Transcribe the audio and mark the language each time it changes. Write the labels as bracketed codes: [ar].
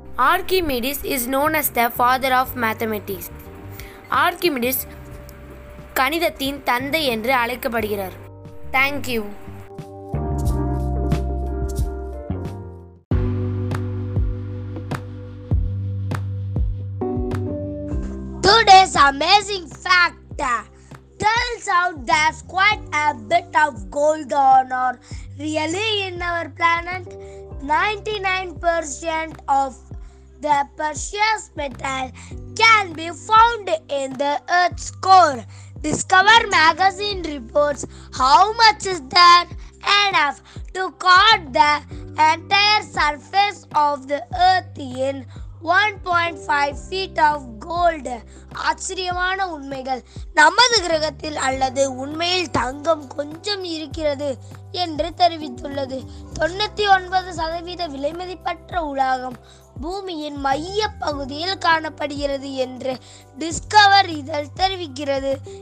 [en] Archimedes is known as the father of mathematics. [ta] Archimedes கணிதத்தின் தந்தை என்று அழைக்கப்படுகிறார். [en] Thank you. Today's amazing fact tells out there's quite a bit of gold on our really in our planet. 99% of the precious metal can be found in the earth's core. Discover magazine reports how much is that enough to coat the entire surface of the earth in 1.5 feet of gold. [ta] ஆச்சரியமான உண்மைகள். நமது கிரகத்தில் அல்லது உண்மையில் தங்கம் கொஞ்சம் இருக்கிறது என்று தெரிவித்துள்ளது. 99% விலைமதிப்பற்ற உலோகம் பூமியின் மைய பகுதியில் காணப்படுகிறது என்று டிஸ்கவர் இதழ் தெரிவிக்கிறது.